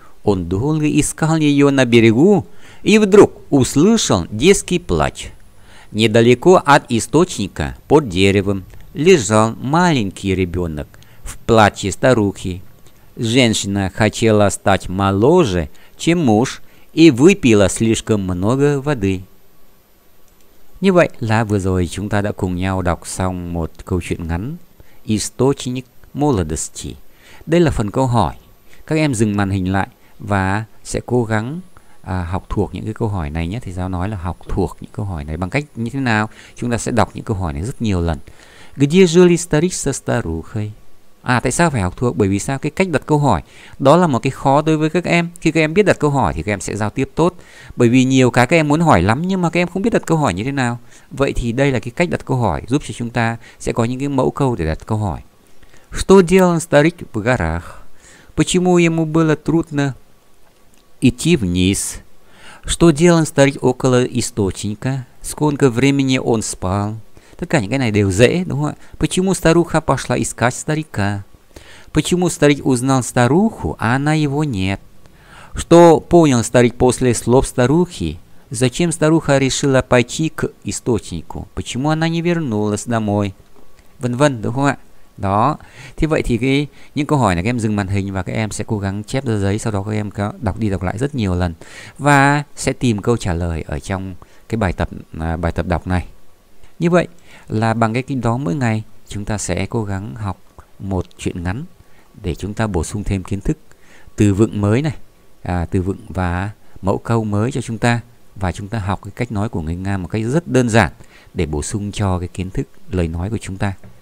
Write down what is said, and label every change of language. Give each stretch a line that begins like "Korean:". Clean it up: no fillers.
Russian: Он долго искал ее на берегу и вдруг услышал детский плач. Недалеко от источника, под деревом, лежал маленький ребенок в плаче старухи. Женщина хотела стать моложе, чем муж, и выпила слишком много воды.
Vietnamese: Như vậy là vừa rồi chúng ta đã cùng nhau đọc xong một câu chuyện ngắn
Russian: Источник молодости.
Vietnamese: Đây là phần câu hỏi. Các em dừng màn hình lại và sẽ cố gắng học thuộc những cái câu hỏi này nhé. Thì giáo nói là học thuộc những câu hỏi này bằng cách như thế nào? Chúng ta sẽ đọc những câu hỏi này rất nhiều lần.
Russian: Где жили старик со старухой?
Vietnamese: À, tại sao phải học thuộc? Bởi vì sao? Cái cách đặt câu hỏi đó là một cái khó đối với các em. Khi các em biết đặt câu hỏi thì các em sẽ giao tiếp tốt. Bởi vì nhiều cái các em muốn hỏi lắm nhưng mà các em không biết đặt câu hỏi như thế nào. Vậy thì đây là cái cách đặt câu hỏi giúp cho chúng ta sẽ có những cái mẫu câu để đặt câu hỏi.
Russian: Что делал старик в горах? Почему ему было трудно идти вниз? Что делал старик около источника? Сколько времени он спал?
Vietnamese: Tất cả những cái này đều dễ, đúng không ạ?
Russian: Почему старуха пошла искать старика? Почему старик узнал старуху, а она его нет? Что понял старик после слов старухи? Зачем старуха решила пойти к источнику? Почему она не вернулась домой?
Vietnamese: Vân vân, đúng không ạ? Đó. Thế vậy thì cái những câu hỏi này các em dừng màn hình và các em sẽ cố gắng chép ra giấy, sau đó các em đọc đi đọc lại rất nhiều lần và sẽ tìm câu trả lời ở trong cái bài tập đọc này. Như vậy là bằng cái kinh đó mỗi ngày chúng ta sẽ cố gắng học một chuyện ngắn để chúng ta bổ sung thêm kiến thức từ vựng mới này, từ vựng và mẫu câu mới cho chúng ta, và chúng ta học cái cách nói của người Nga một cách rất đơn giản để bổ sung cho cái kiến thức lời nói của chúng ta.